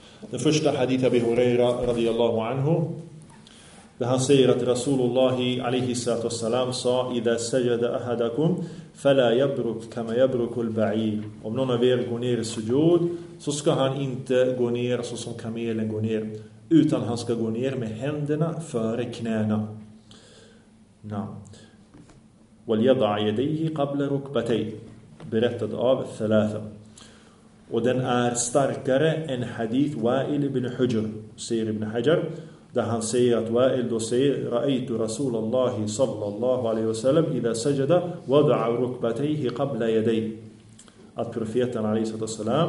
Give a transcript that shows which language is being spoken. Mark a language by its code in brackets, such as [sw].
[sv] Den första hadith Abi Huraira radiyallahu anhu. Där han säger att Rasulullah alayhi salatu wassalam sa: [ar] "Idha sajada ahadakum fala yabruk kama yabruk al-ba'ir." [sv] Om någon av er går ner i sujud, så ska han inte gå ner så som kamelen går ner, utan han ska gå ner med händerna före knäna. [ar] وَلْيَضَعْ يَدَيْهِ قَبْلَ رُكْبَتَيْهِ, [sv] berättad av Thalatha. Och den är starkare än hadith Wa'il ibn Hujr, säger Ibn Hajar, där han säger att Wa'il då säger: [ar] رَأَيْتُ رَسُولَ اللَّهِ صَلَّى اللَّهُ عَلَيْهِ وَسَلَمْ إِذَا سَجَدَ وَضَعَ رُكْبَتَيْهِ قَبْلَ يَدَيْهِ, [sv] att profeten a.s.